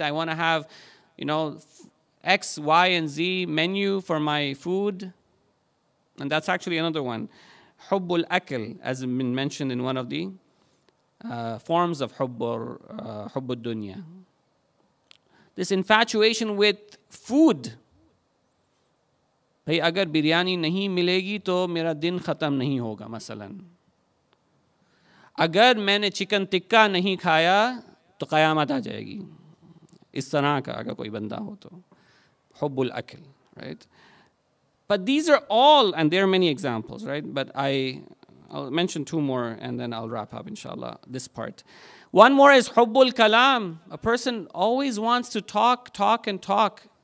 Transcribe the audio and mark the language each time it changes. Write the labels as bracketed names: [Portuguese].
[English] I want to have, you know, X, Y, and Z menu for my food. And that's actually another one. حب الأكل, as been mentioned in one of the forms of حب الدنيا. This infatuation with food. [Urdu] بھائی, اگر بریانی نہیں ملے گی, تو میرا دن ختم نہیں ہوگا, مثلاً. اگر میں نے چکن تکہ نہیں کھایا, تو قیامت آ جائے گی. اس طرح کا, اگر کوئی بندہ ہو تو. [English] Hubbul akil, right? But these are all, and there are many examples, right? But I'll mention two more, and then I'll wrap up, inshallah, this part. One more is hubbul kalam. A person always wants to talk, and talk.